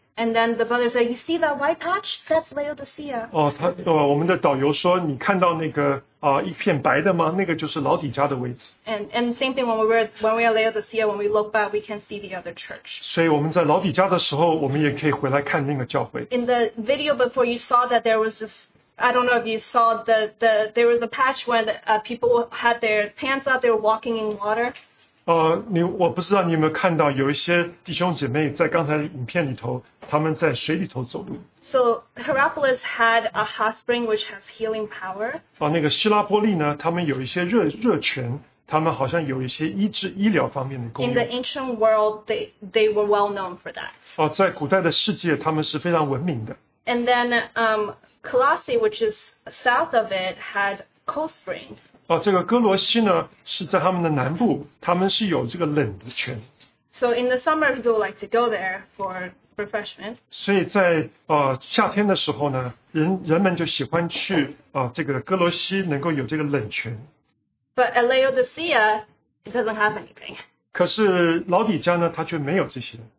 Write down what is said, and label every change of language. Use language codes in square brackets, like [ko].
[en] And then the brother said, "You see that white patch? That's Laodicea." [zh] 我们的导游说，你看到那个一片白的吗？那个就是老底嘉的位置。 [en] And same thing when we are Laodicea, when we look back, we can see the other church. [zh] 所以我们在老底嘉的时候，我们也可以回来看那个教会。 [en] In the video before, you saw that there was this. I don't know if you saw the there was a patch when people had their pants up. They were walking in water. [zh] 我不知道你有没有看到，有一些弟兄姐妹在刚才影片里头，他们在水里头走路。 [en] So Hierapolis had a hot spring which has healing power. [zh] 那个希拉波利呢，他们有一些热泉，他们好像有一些医疗方面的功用。 [en] In the ancient world, they were well known for that. [zh] 在古代的世界，他们是非常文明的。 [en] And then, Colossae, which is south of it, had cold spring. [zh] 这个哥罗西呢是在他们的南部，他们是有这个冷的泉。 [en] So in the summer, people like to go there for refreshment. [zh] 所以在夏天的时候呢，人们就喜欢去这个哥罗西能够有这个冷泉。 [en] But at Laodicea, it doesn't have anything. [zh] 可是老底家呢，他却没有这些。